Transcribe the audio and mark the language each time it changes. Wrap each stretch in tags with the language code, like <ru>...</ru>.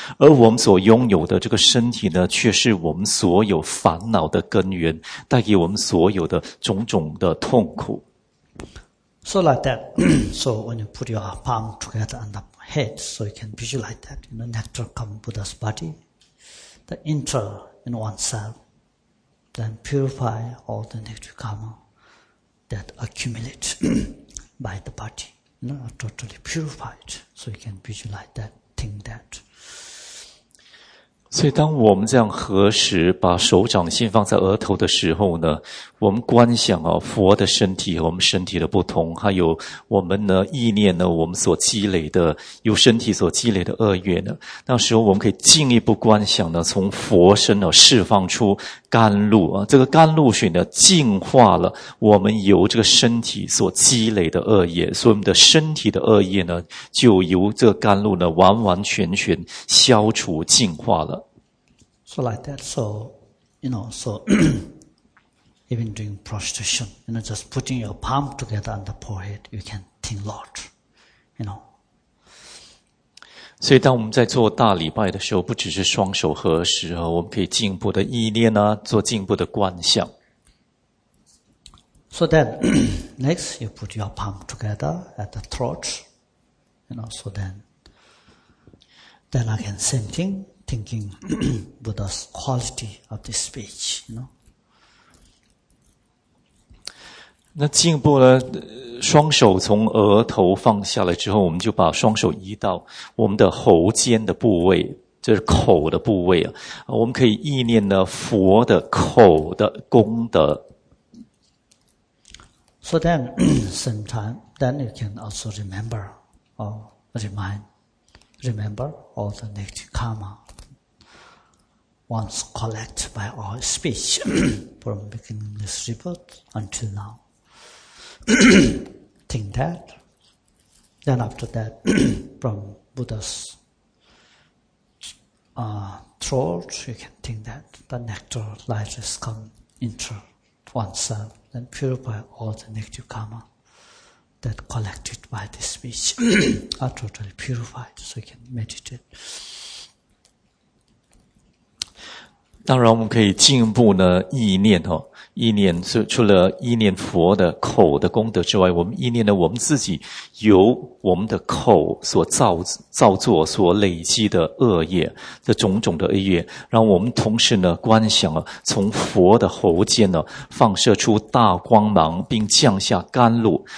<zh>而我们所拥有的这个身体呢，却是我们所有烦恼的根源，带给我们所有的种种的痛苦。</zh> <en>So like that. So when you put your palm together on the head, so you can visualize that, you know, nectar come Buddha's body, the inter in oneself. Then purify all the negative karma that accumulate by the body. You know, totally purified. So you can visualize that, think that.</en> <zh>所以当我们这样合十把手掌心放在额头的时候呢，我们观想啊佛的身体和我们身体的不同，还有我们呢意念呢我们所积累的由身体所积累的恶业呢，那时候我们可以进一步观想呢从佛身呢释放出甘露啊，这个甘露水呢净化了我们由这个身体所积累的恶业，所以我们的身体的恶业呢就由这个甘露呢完完全全消除净化了。</zh> <en>So like that, so, you know, so even doing prostitution, you know, just putting your palm together on the forehead, you can think large, you know.</en> <zh>所以当我们在做大礼拜的时候，不只是双手合十，我们可以进一步的意念啊，做进一步的观想。</zh> <en>So then, next, you put your palm together at the throat, you know, so then again, same thing, thinking Buddha's quality of the speech, you know.</en> <zh>那进一步呢，双手从额头放下来之后，我们就把双手移到我们的喉尖的部位，就是口的部位啊，我们可以意念呢，佛的口的功德。</zh> <en>So then, same time, then you can also remember or remember all the negative karma once collected by our speech from beginning this rebirth until now. Think that. Then after that, from Buddha's throat, you can think that the nectar light has come into oneself. And purify all the negative karma that collected by this speech are totally purified, so you can meditate.</en> <zh>当然，我们可以进一步呢意念哦，意念除了意念佛的口的功德之外，我们意念呢我们自己由我们的口所造作所累积的恶业的种种的恶业，让我们同时呢观想啊，从佛的喉间呢放射出大光芒，并降下甘露。</zh>